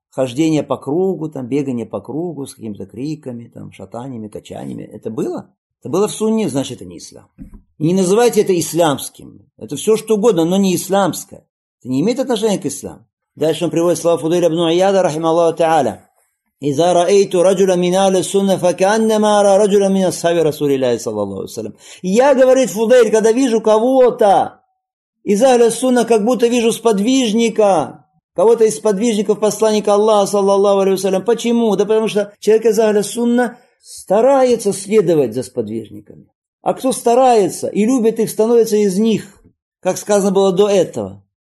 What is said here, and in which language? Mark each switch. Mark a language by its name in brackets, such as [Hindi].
[Russian] Хождение по кругу, там, бегание по кругу с какими-то криками, там, шатаниями, качаниями. Это было? Это было в сунне, значит, это не ислам. Не называйте это исламским. Это все что угодно, но не исламское. Это не имеет отношения к исламу. Дальше он приводит слова Фудейля ибн Уяда, [Arabic] рахима Аллаху тааля. إذا رأيت رجلا من أهل السنة فكأنما أرى رجلا من أصحاب رسول الله صلى الله عليه وسلم. [Russian] Я, говорит Фудейль, когда вижу кого-то из أهل السنة, как будто вижу сподвижника, кого-то из сподвижников посланника Аллаха, [Arabic] саллаллаху алейхи ва саллям. [Russian] Почему? Да потому что человек из Ахля Сунна старается следовать за сподвижниками. А кто старается и любит их, становится из них, как сказано было до этого.